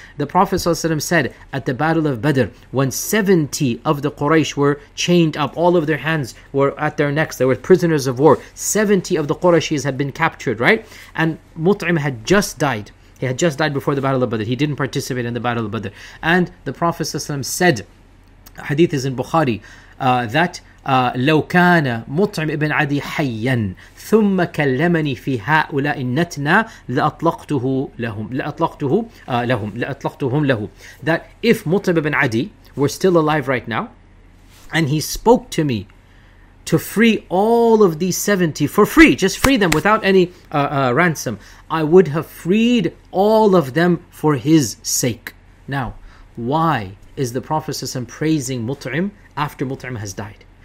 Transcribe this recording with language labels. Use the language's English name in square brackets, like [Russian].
[English] The Prophet sallallahu alaihi wasallam said at the Battle of Badr, when 70 of the Quraysh were chained up, all of their hands were at their necks. They were prisoners of war. 70 of the Qurayshis had been captured, right? And Mut'im had just died. He had just died before the Battle of Badr. He didn't participate in the Battle of Badr. And the Prophet ﷺ said, hadith is in Bukhari, that [Arabic] لو كان مطعم ابن عدي حيا ثم كلمني في هؤلاء النتنا لأطلقته لهم لأطلقته لهم لأطلقتهم له. [English] That if مطعم ابن عدي were still alive right now, and he spoke to me to free all of these 70 for free, just free them without any ransom, I would have freed all of them for his sake. Now, why is the Prophet ﷺ praising Mut'im after Mut'im has died?